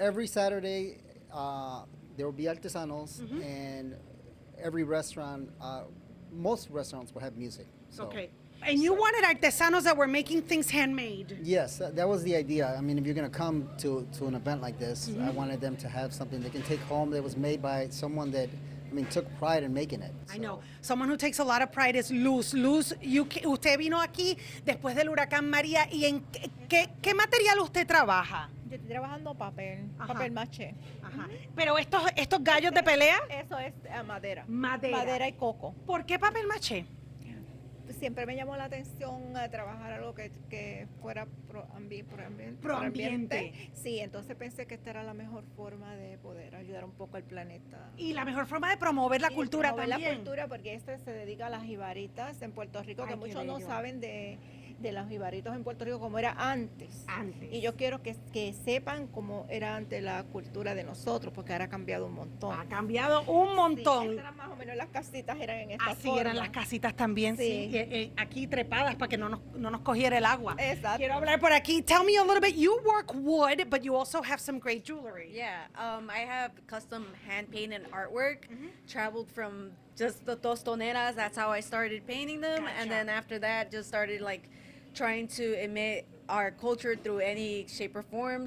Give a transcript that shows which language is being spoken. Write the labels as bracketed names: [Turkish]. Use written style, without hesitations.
[English] Every Saturday, there will be artesanos, and every restaurant, most restaurants will have music. So. Okay. And you wanted artesanos that were making things handmade. Yes, that was the idea. I mean, if you're going to come to an event like this, I wanted them to have something they can take home that was made by someone that, I mean, took pride in making it. So. I know. Someone who takes a lot of pride is Luz. [Spanish] Luz, usted vino aquí después del huracán María. ¿Y en qué material usted trabaja? Yo estoy trabajando papel, papel maché. ¿Pero estos gallos de pelea? Eso es madera. Madera. Madera y coco. ¿Por qué papel maché? Siempre me llamó la atención trabajar algo que fuera pro ambiente. Sí, entonces pensé que esta era la mejor forma de poder ayudar un poco al planeta. Y la mejor forma de promover la cultura promover también. La cultura, porque este se dedica a las jibaritas en Puerto Rico, que muchos no saben de los jibaritos en Puerto Rico como era antes. Antes. Y yo quiero que sepan cómo era antes la cultura de nosotros, porque ahora ha cambiado un montón. Ha cambiado un montón. Sí, estas eran más o menos las casitas eran en esta así forma. Eran las casitas también, sí. Aquí trepadas para que no nos cogiera el agua. Exacto. Quiero hablar por aquí. [English] Tell me a little bit, you work wood, but you also have some great jewelry. Yeah, I have custom hand paint and artwork, traveled from just the tostoneras, that's how I started painting them. Gotcha. And then after that, just started like trying to emit our culture through any shape or form.